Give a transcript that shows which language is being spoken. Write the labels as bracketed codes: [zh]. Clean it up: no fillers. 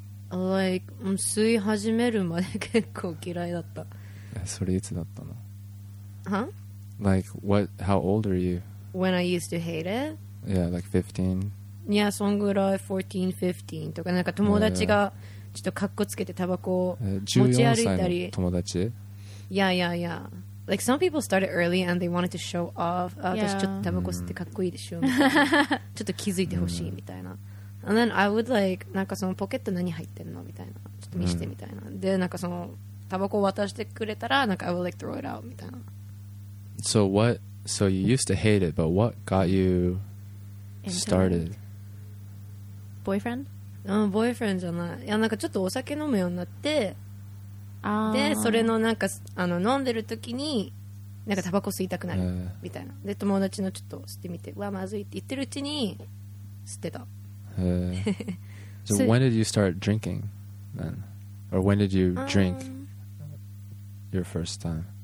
[ja] Like, 吸い始めるまで結構嫌いだった。それいつだったの? [en] Huh? Like, what, how old are you? When I used to hate it? Yeah, like 15? [ja] Yeah, そんぐらい、14, 15とか、なんか友達が、yeah. ちょっとカッコつけてタバコを持ち歩いたり 14歳の友達 [en] Yeah, yeah, yeah Like some people started early and they wanted to show off、yeah. [ja] 私ちょっとタバコ吸ってかっこいいでしょみたいなちょっと気づいてほしいみたいな、mm. [en] And then I would like [ja] なんかそのポケット何入ってんのみたいなちょっと見してみたいな、mm. でなんかそのタバコ渡してくれたらなんか [en] I would like throw it out [ja] みたいな [en] So what So you used to hate it but what got you started? Boyfriend? [ja] ボーイフレンドじゃない。いや、なんかちょっとお酒飲むようになって、あで、それのなんか、あの、飲んでる時に、なんかタバコ吸いたくなる、みたいな。で、友達のちょっと吸ってみて、うわ、まずいって言ってるうちに、吸ってた。 [en] So when did you start drinking then? Or when did you drink your first time?